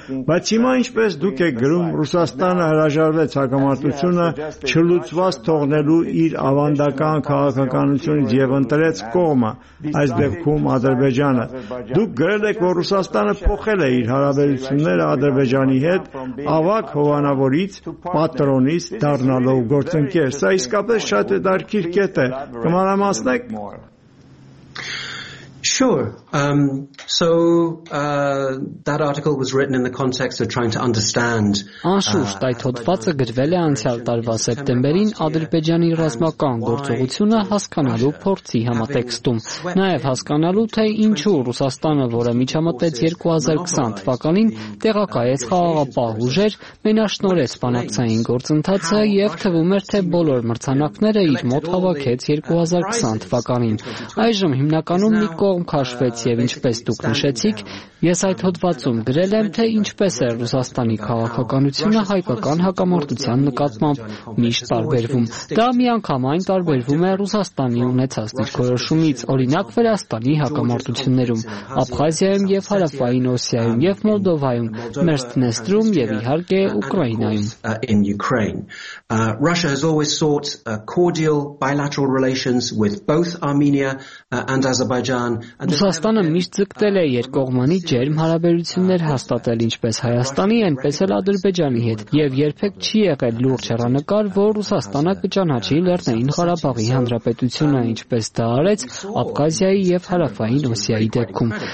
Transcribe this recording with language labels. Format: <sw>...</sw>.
<hy>Բայց հիմա ինչպես դուք եք գրում, Ռուսաստանը հրաժարվեց հակամարտությունը չլուծված թողնելու իր ավանդական քաղաքականությունից եւ ընտրեց կողմը, այս դեպքում Ադրբեջանը։ Դուք գրել եք, որ Ռուսաստանը փոխել է իր հարաբերությունները Ադրբեջանի հետ ավակ հովանավորից պատրոնից դառնալով գործընկեր։ Սա իսկապես շատ դարքիր կետ է։ Կմանրամասնեք։</hy> <en>Sure. That article was written in the context of trying to understand</en> <hy>Անշուշտ այդ հոդվածը գրվել է անցյալ տարվա սեպտեմբերին Ադրբեջանի ռազմական գործողությունը հասկանալու փորձի համատեքստում, նաև հասկանալու թե ինչու Ռուսաստանը, որը միջամտեց 2020 թվականին տեղակայեց խաղաղապահ ուժեր, մենաշնորեց բանակցային գործընթացը եւ թվում էր թե բոլոր մրցանակները իր մոտ հավաքեց 2020 թվականին, այժմ հիմնականում մի կողմ քաշվեց եւ ինչպես դուք նշեցիք, ես այդ հոդվածում գրել եմ, թե ինչպես է Ռուսաստանի քաղաքականությունը հայկական հակամարտության նկատմամբ միշտ տարբերվում։ Դա միանգամայն տարբերվում է Ռուսաստանի ունեցած դիրքորոշումից, օրինակ Վրաստանի հակամարտություններում, Աբխազիայում եւ Հարավային Օսիայում եւ Մոլդովայում, Մերստնեստրում եւ իհարկե Ուկրաինայում։</hy> <en>Russia has always sought cordial bilateral relations with both Armenia and Azerbaijan.</en> <hy>Ռուսաստանը միշտ ձգտել է երկկողմանի ջերմ հարաբերություններ հաստատել ինչպես Հայաստանի, այնպես էլ Ադրբեջանի հետ, եւ երբեք չի եղել լուրջ հեռանկար, որ Ռուսաստանը կճանաչի Լեռնային Ղարաբաղի հանրապետությունը, ինչպես դա արեց Աբխազիայի եւ Հարավային Օսիայի դեպքում։</hy>